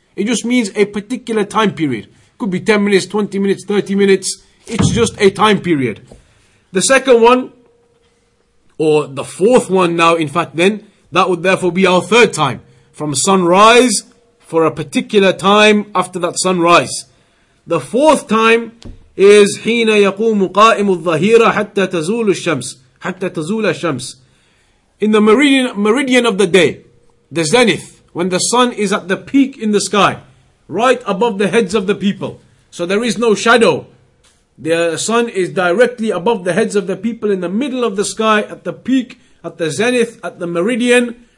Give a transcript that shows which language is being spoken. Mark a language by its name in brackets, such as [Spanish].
[English] It just means a particular time period. Could be 10 minutes, 20 minutes, 30 minutes. It's just a time period. The second one, or the fourth one now, in fact, then, That would therefore be our third time, from sunrise for a particular time after that sunrise. The fourth time is [Arabic] حين يقوم قائم الظهيرة حتى تزول الشمس. حتى تزول الشمس. [English] In the meridian of the day, the zenith, when the sun is at the peak in the sky, right above the heads of the people. So there is no shadow. The sun is directly above the heads of the people in the middle of the sky, at the peak, at the zenith, at the meridian.